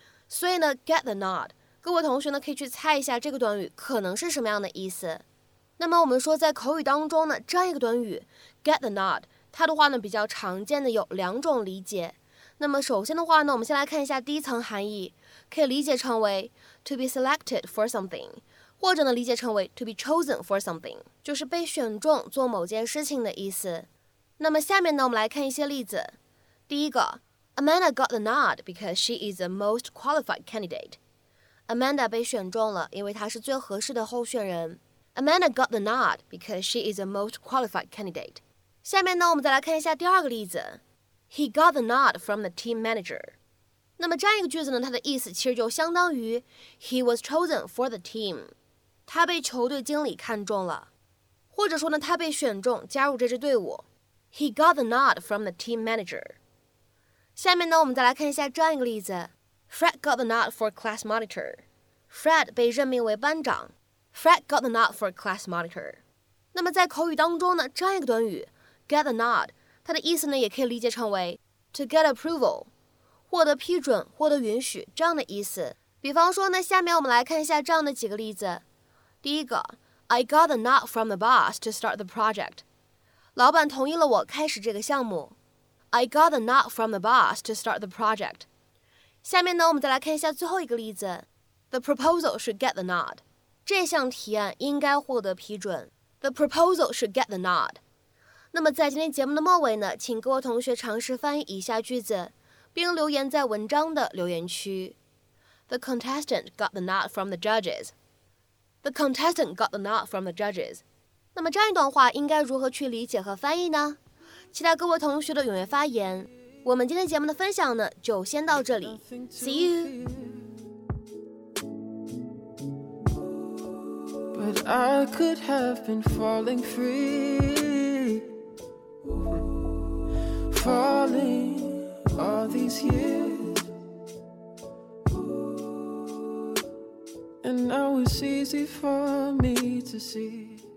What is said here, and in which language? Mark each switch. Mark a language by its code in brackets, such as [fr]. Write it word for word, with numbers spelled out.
[zh] 所以呢 ，get the nod， 各位同学呢，可以去猜一下这个短语可能是什么样的意思。那么我们说，在口语当中呢，这样一个短语 get the nod， 它的话呢，比较常见的有两种理解。那么首先的话呢，我们先来看一下第一层含义，可以理解成为 [en] to be selected for something， [zh] 或者呢理解成为 [en] to be chosen for something， [zh] 就是被选中做某件事情的意思。那么下面呢我们来看一些例子。第一个 [en] Amanda got the nod because she is the most qualified candidate。 [zh] Amanda 被选中了，因为她是最合适的候选人。 [en] Amanda got the nod because she is the most qualified candidate。 [zh] 下面呢我们再来看一下第二个例子。 [en] He got the nod from the team manager。 [zh] 那么这样一个句子呢，它的意思其实就相当于 [en] He was chosen for the team， [zh] 他被球队经理看中了，或者说呢他被选中加入这支队伍。 [en] He got the nod from the team manager。 [zh] 下面呢我们再来看一下这样一个例子。 [en] Fred got the nod for class monitor。 [zh] Fred 被任命为班长。 [en] Fred got the nod for class monitor。 [zh] 那么在口语当中呢，这样一个短语 get the nod， 它的意思呢也可以理解成为 [en] to get approval， [zh] 获得批准，获得允许，这样的意思。比方说呢，下面我们来看一下这样的几个例子。第一个 [en] I got the nod from the boss to start the project。 [zh] 老板同意了我开始这个项目。 [en] I got the nod from the boss to start the project。 [zh] 下面呢我们再来看一下最后一个例子。 [en] The proposal should get the nod。 [zh] 这项提案应该获得批准。 [en] The proposal should get the nod。 [zh] 那么在今天节目的末尾呢，请各位同学尝试翻译以下句子，并留言在文章的留言区。 [en] The contestant got the nod from the judges. The contestant got the nod from the judges. [zh] 那么这样一段话应该如何去理解和翻译呢？期待各位同学的踊跃发言。我们今天节目的分享呢，就先到这里。 [en] See you. But I could have been falling free. Falling. All these years, and now it's easy for me to see.